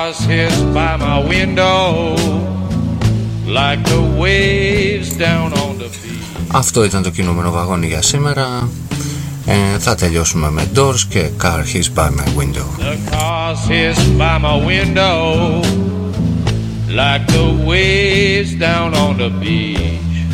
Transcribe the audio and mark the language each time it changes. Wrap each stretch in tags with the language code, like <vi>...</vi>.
<en>watches by my window like the waves down on the beach.</en> <el>Αυτό ήταν το κινούμενο βαγόνι για σήμερα. Θα τελειώσουμε με Doors και Car Hits By My Window.</el> <en>The cars hiss by my window like the waves down on the beach.</en>